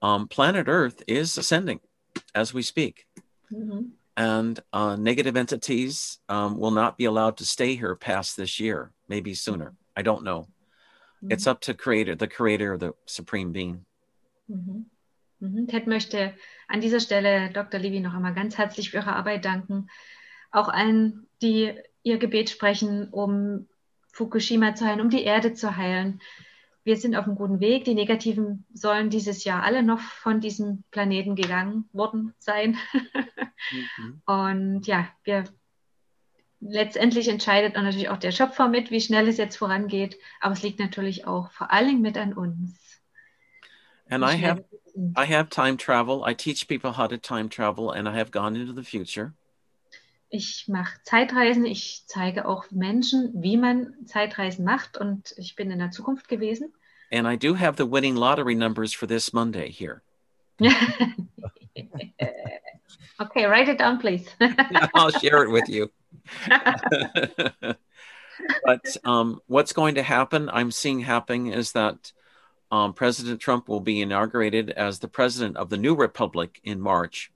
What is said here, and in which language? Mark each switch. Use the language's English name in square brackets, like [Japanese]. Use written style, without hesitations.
[English] Planet Earth is ascending as we speak. Mm-hmm. And negative entities will not be allowed to stay here past this year, maybe sooner. I don't know. Mm-hmm. It's up to the creator of the Supreme Being. Mm-hmm. Mm-hmm. [German] Ted möchte an dieser Stelle Dr. Levy noch einmal ganz herzlich für ihre Arbeit danken. Auch allen, die ihr Gebet sprechen, um Fukushima zu heilen, um die Erde zu heilen. Wir sind auf einem guten Weg. Die Negativen sollen dieses Jahr alle noch von diesem Planeten gegangen worden sein. Mhm. Und ja, wir letztendlich entscheidet natürlich auch der Schöpfer mit, wie schnell es jetzt vorangeht. Aber es liegt natürlich auch vor allem mit an uns. [English] And I have time travel. I teach people how to time travel and I have gone into the future. [German] Ich mache Zeitreisen, ich zeige auch Menschen, wie man Zeitreisen macht, und ich bin in der Zukunft gewesen. [English] And I do have the winning lottery numbers for this Monday here. Okay, write it down, please. Yeah, I'll share it with you. But what's going to happen, I'm seeing happening, is that President Trump will be inaugurated as the president of the new republic in March.